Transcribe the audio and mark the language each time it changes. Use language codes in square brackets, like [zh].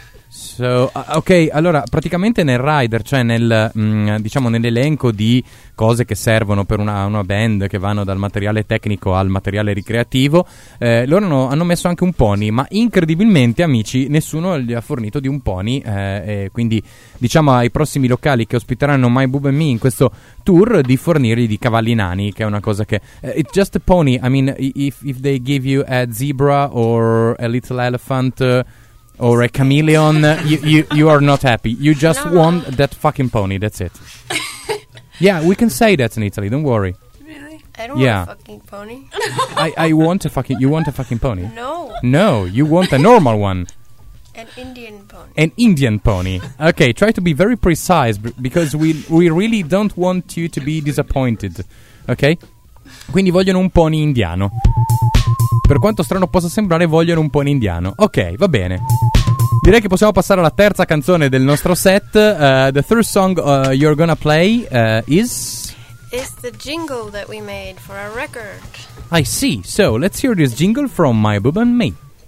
[it] So, ok, allora, praticamente nel rider, cioè nel, diciamo, nell'elenco di cose che servono per una band, che vanno dal materiale tecnico al materiale ricreativo, loro hanno messo anche un pony, ma incredibilmente, amici, nessuno gli ha fornito di un pony, e quindi diciamo ai prossimi locali che ospiteranno My Boob and Me in questo tour di fornirgli di cavalli nani, che è una cosa che... [en] it's just a pony, I mean, if they give you a zebra or a little elephant... or a chameleon, you are not happy. You just want that fucking pony, that's it. Yeah, we can say that in Italy, don't worry. Really? I don't want a fucking pony. I want a fucking... You want a fucking pony? No. No, you want a normal one. An Indian pony. An Indian pony. Okay, try to be very precise, because we really don't want you to be disappointed, okay? [it] Quindi vogliono un pony indiano. Per quanto strano possa sembrare, vogliono un pony indiano. Ok, va bene. Direi che possiamo passare alla terza canzone del nostro set. [en] The third song you're gonna play is... It's the jingle that we made for our record. I see. So, let's hear this jingle from My Boob and Me.